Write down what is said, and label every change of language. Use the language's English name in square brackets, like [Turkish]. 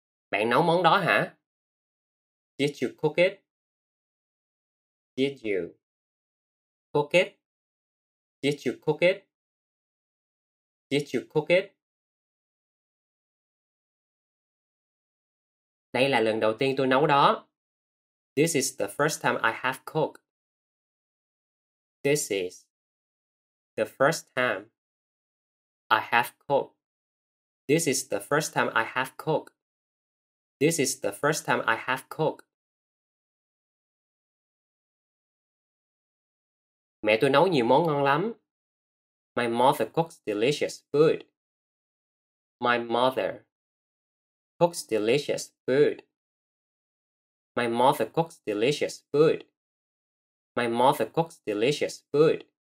[Vietnamese] Bạn nấu món đó hả? [English] Did you cook it? Did you cook it? Did you cook it? Did you cook it? [Vietnamese] Đây là lần đầu tiên tôi nấu đó. [English] This is the first time I have cooked. This is the first time I have cooked. This is the first time I have cooked. This is the first time I have cooked. [Vietnamese] Mẹ tôi nấu nhiều món ngon lắm. [English] My mother cooks delicious food. My mother cooks delicious food. My mother cooks delicious food. My mother cooks delicious food.